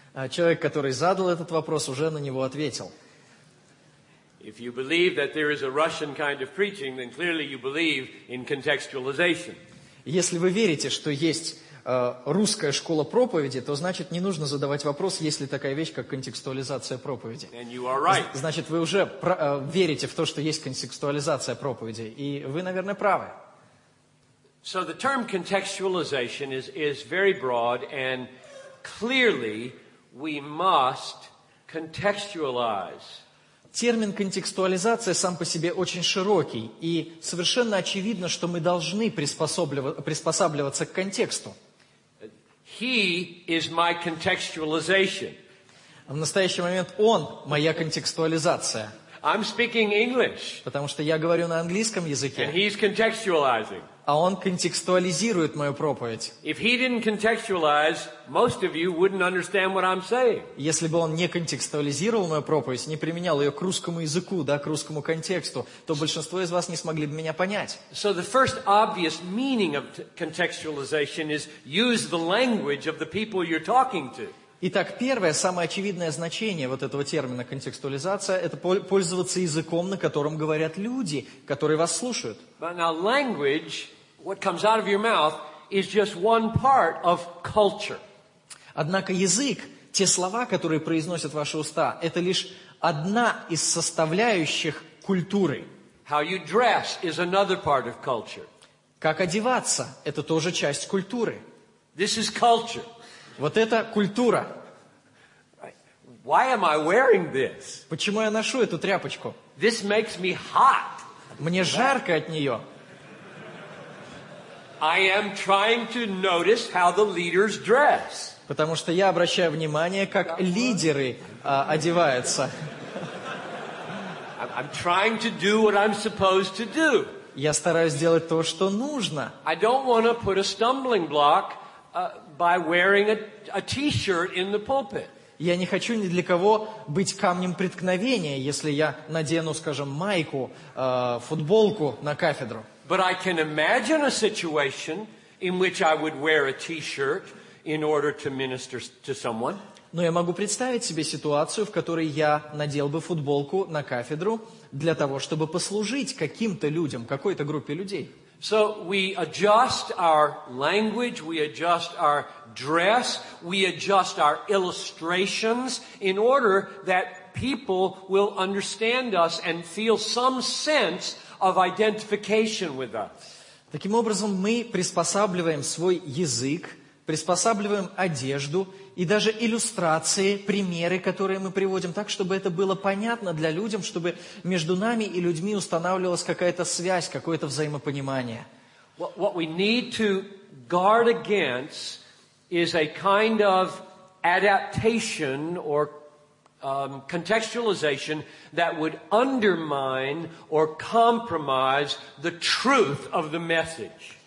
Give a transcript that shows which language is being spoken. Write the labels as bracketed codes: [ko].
[ru] Человек, который задал этот вопрос, уже на него ответил. [en] If you believe that there is a Russian kind of preaching, then clearly you believe in contextualization. [ru] Если вы верите, что есть русская школа проповеди, то значит не нужно задавать вопрос, есть ли такая вещь, как контекстуализация проповеди. [en] Right. [ru] Значит, вы уже верите в то, что есть контекстуализация проповеди, и вы, наверное, правы. [en] So the term contextualization is very broad, and clearly we must contextualize. [ru] Термин «контекстуализация» сам по себе очень широкий, и совершенно очевидно, что мы должны приспосабливаться к контексту. [en] He is my contextualization. [ru] В настоящий момент он моя контекстуализация. [en] I'm speaking English. [ru] Потому что я говорю на английском языке. [en] And he's contextualizing. [ru] А он контекстуализирует мою проповедь. [en] If he didn't contextualize, most of you wouldn't understand what I'm saying. [ru] Если бы он не контекстуализировал мою проповедь, не применял ее к русскому языку, да, к русскому контексту, то большинство из вас не смогли бы меня понять. [en] So the first obvious meaning of contextualization is use the language of the people you're talking to. [ru] Итак, первое, самое очевидное значение вот этого термина «контекстуализация» — это пользоваться языком, на котором говорят люди, которые вас слушают. [en] But now language, what comes out of your mouth, is just one part of culture. [ru] Однако язык, те слова, которые произносят ваши уста, это лишь одна из составляющих культуры. [en] How you dress is another part of culture. [ru] Как одеваться — это тоже часть культуры. [en] This is culture. [ru] Вот это культура. [en] Why am I wearing this? [ru] Почему я ношу эту тряпочку? [en] This makes me hot. [ru] Мне жарко от нее. [en] I am trying to notice how the leaders dress. [ru] Потому что я обращаю внимание, как лидеры одеваются. [en] I'm trying to do what I'm supposed to do. [ru] Я стараюсь делать то, что нужно. [en] I don't want to put a stumbling block by wearing a t-shirt in the pulpit. [ru] Я не хочу ни для кого быть камнем преткновения, если я надену, скажем, майку, футболку на кафедру. [en] But I can imagine a situation in which I would wear a t-shirt in order to minister to someone. [ru] Но я могу представить себе ситуацию, в которой я надел бы футболку на кафедру для того, чтобы послужить каким-то людям, какой-то группе людей. [en] So we adjust our language, we adjust our dress, we adjust our illustrations in order that people will understand us and feel some sense of identification with us. [ru] Таким образом, мы приспосабливаем свой язык, приспосабливаем одежду и даже иллюстрации, примеры, которые мы приводим, так, чтобы это было понятно для людям, чтобы между нами и людьми устанавливалась какая-то связь, какое-то взаимопонимание. [en] What we need to guard against is a kind of adaptation or contextualization that would undermine or compromise the truth of the message.